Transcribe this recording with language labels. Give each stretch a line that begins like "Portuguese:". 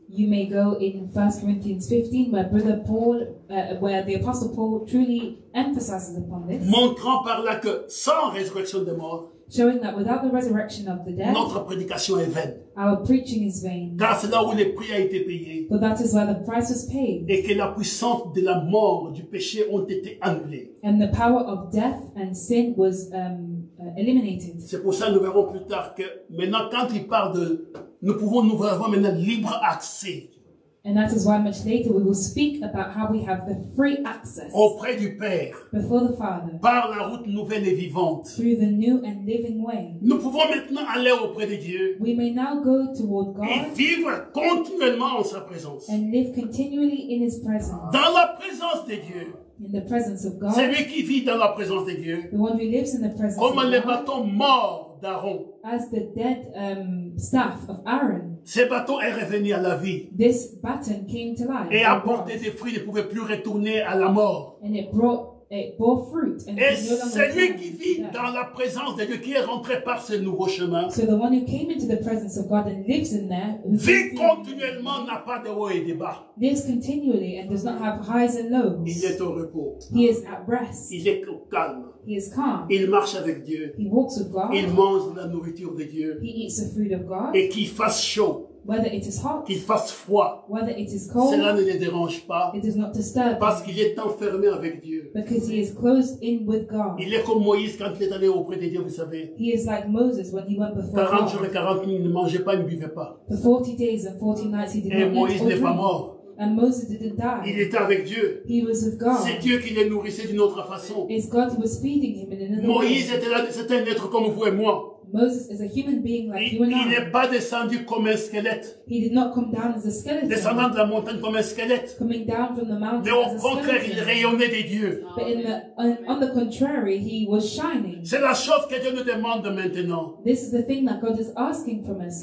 English: You may go in 1 Corinthians 15, where the apostle Paul truly emphasizes upon this.
French: Montrant par là que sans résurrection des morts,
English: showing that without the resurrection of the dead,
French: notre prédication est vaine.
English: Our preaching is vain.
French: Car c'est là où le prix a été payé.
English: But that is where the price was paid.
French: Et que la puissance de la mort du péché ont été annulées.
English: And the power of death and sin was eliminated.
French: C'est pour ça que nous verrons plus tard que maintenant quand il parle de nous pouvons nous avoir maintenant libre accès
English: And that is why much later we will speak about how we have the free access
French: auprès du Père,
English: before the Father,
French: par la route nouvelle et vivante,
English: through the new and living way.
French: Nous pouvons maintenant aller auprès de Dieu,
English: we may now go toward God,
French: et vivre continuellement en sa présence,
English: and live continually in his presence.
French: Dans la présence de Dieu,
English: in the presence of God,
French: celui qui vit dans la présence de Dieu,
English: the one who lives in the presence
French: comme
English: of God,
French: les bâtons morts d'Aaron,
English: as the dead staff of Aaron.
French: Ce bâton est revenu à la vie.
English: This baton came to life.
French: Et apportait des fruits, ne pouvait plus retourner à la mort.
English: And it bore fruit. And
French: et celui qui vit dans la présence de Dieu, qui est rentré par ce nouveau chemin,
English: so the one who came into the presence of God and lives in there,
French: vit continuellement, n'a pas de hauts et de bas.
English: Lives continually and does not have highs and lows.
French: Il est au repos.
English: He is at rest.
French: Il est au calme.
English: He is calm.
French: Il marche avec Dieu.
English: He walks with God.
French: Il mange la nourriture de Dieu.
English: He eats the food of God.
French: Et qu'il fasse chaud,
English: whether it is hot,
French: qu'il fasse froid,
English: whether it is cold,
French: cela ne le dérange pas,
English: it does not disturb,
French: parce qu'il est enfermé avec Dieu.
English: Because he is closed in with God.
French: Il est comme Moïse quand il est allé auprès de Dieu, vous savez.
English: He is like Moses when he went before
French: 40
English: God.
French: Jours et 40 nuits, il ne mangeait pas, il ne buvait pas.
English: For 40 days and 40 nights, he did
French: et
English: not eat or
French: Moïse n'est pas mort.
English: And Moses didn't die.
French: Il était avec Dieu.
English: He was with God.
French: C'est Dieu qui le nourrissait d'une autre façon.
English: It's God who was feeding him in another way.
French: Moïse était là, c'était un être comme vous et moi.
English: Moses is a human being like
French: il,
English: you and I.
French: Il n'est pas descendu comme un squelette.
English: He did not come down as a skeleton.
French: Descendant de la montagne comme un squelette.
English: Coming down from the mountain
French: mais au contraire, il rayonnait des dieux.
English: But on the contrary, he was shining.
French: C'est la chose que Dieu nous demande maintenant.
English: This is the thing that God is asking from us.